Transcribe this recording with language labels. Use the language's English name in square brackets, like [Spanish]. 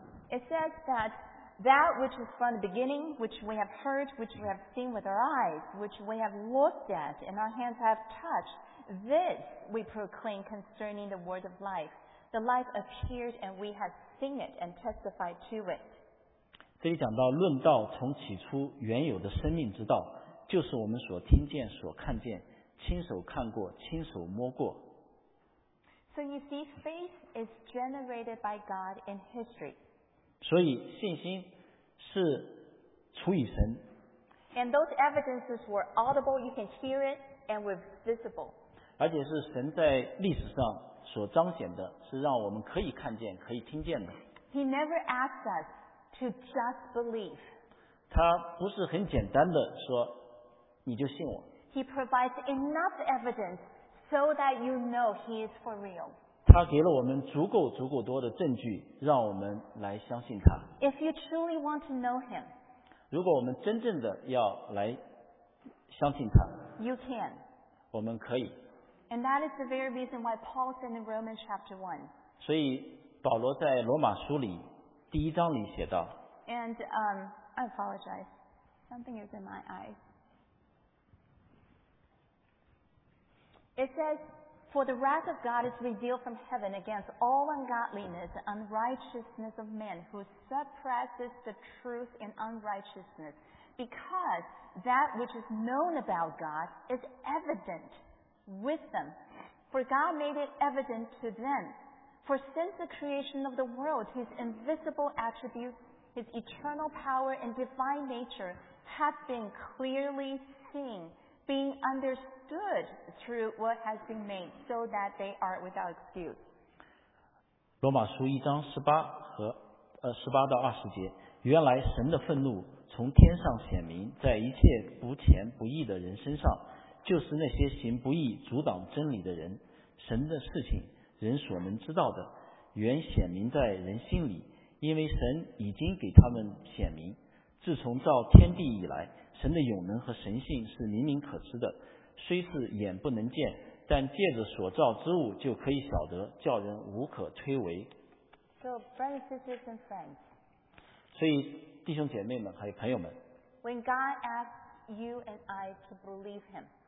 [English] It says that which is from the beginning, which we have heard, which we have seen with our eyes, which we have looked at, and our hands have touched, this we proclaim concerning the word of life. The life appeared, and we have seen it and testified to it. [Chinese] 这里讲到论道从起初原有的生命之道。就是我们所听见所看见亲手看过亲手摸过 [English] So you see, faith is generated by God in history. [Chinese] 所以信心是出于神 [English] And those evidences were audible, you can hear it, and were visible. [Chinese] 而且是神在历史上所彰显的是让我们可以看见可以听见的 [English] He never asked us to just believe. [Chinese] 他不是很简单的说你就信我。 [English] He provides enough evidence so that you know he is for real. [Chinese] 他给了我们足够足够多的证据，让我们来相信他。 [English] If you truly want to know him, [Chinese] 如果我们真正的要来相信他。 [English] You can. [Chinese] 我们可以。 [English] And that is the very reason why Paul said in Romans chapter 1. [Chinese] 所以保罗在罗马书里第一章里写道。 [English] And I apologize. Something is in my eyes. It says, For the wrath of God is revealed from heaven against all ungodliness and unrighteousness of men who suppresses the truth in unrighteousness because that which is known about God is evident with them. For God made it evident to them. For since the creation of the world, His invisible attributes, His eternal power and divine nature have been clearly seen, being understood through what has been made, so that they are without excuse. [Chinese] 罗马书一章十八和十八到二十节，原来神的愤怒从天上显明，在一切不虔不义的人身上，就是那些行不义、阻挡真理的人。神的事情，人所能知道的，原显明在人心里，因为神已经给他们显明。自从造天地以来，神的永能和神性是明明可知的，虽是眼不能见，但借着所造之物就可以晓得，叫人无可推诿。 [English] So, brothers, sisters, and friends, [Chinese] 所以弟兄姐妹们还有朋友们， [English] When God asks you and I to believe him,